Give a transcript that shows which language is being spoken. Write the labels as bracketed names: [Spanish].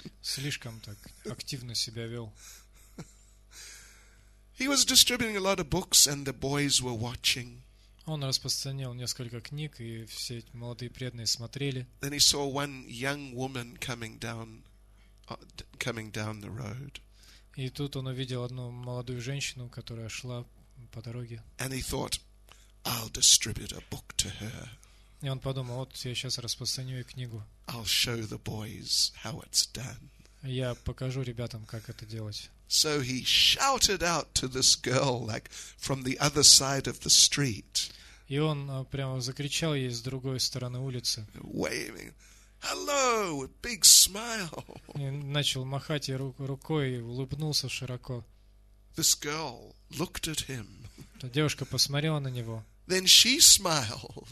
[Russian] Слишком так активно себя вел. [English] He was distributing a lot of books, and the boys were watching. [Russian] Он распространял несколько книг, и все эти молодые преданные смотрели. [English] Then he saw one young woman coming down the road. [Russian] И тут он увидел одну молодую женщину, которая шла по дороге. [English] And he thought, I'll distribute a book to her. [Russian] И он подумал, вот я сейчас распространю ей книгу. [English] I'll show the boys how it's done. [Russian] Я покажу ребятам, как это делать. [English] So he shouted out to this girl, like from the other side of the street. [Russian] И он прямо закричал ей с другой стороны улицы. [English] Waving, hello, a big smile. [Russian] И начал махать ей рукой и улыбнулся широко. [English] This girl looked at him. [Russian] Та девушка посмотрела на него. [English] Then she smiled.